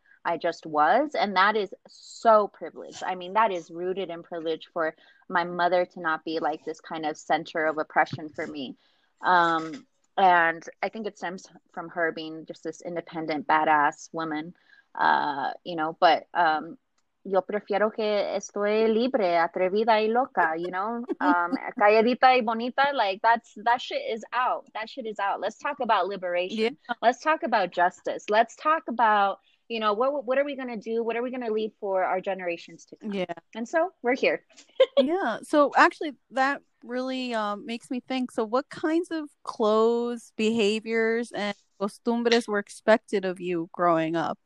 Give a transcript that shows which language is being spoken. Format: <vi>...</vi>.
<en>I just was, and that is so privileged. I mean, that is rooted in privilege for my mother to not be like this kind of center of oppression for me. And I think it stems from her being just this independent, badass woman. You know, but</en> <es>yo prefiero que estoy libre, atrevida y loca, you know, calladita y bonita.</es> <en>Like that shit is out. That shit is out. Let's talk about liberation. Yeah. Let's talk about justice. Let's talk about, you know, what are we going to do? What are we going to leave for our generations to come? Yeah. And so we're here. Yeah. So actually that really makes me think. So what kinds of clothes, behaviors, and costumbres were expected of you growing up?</en>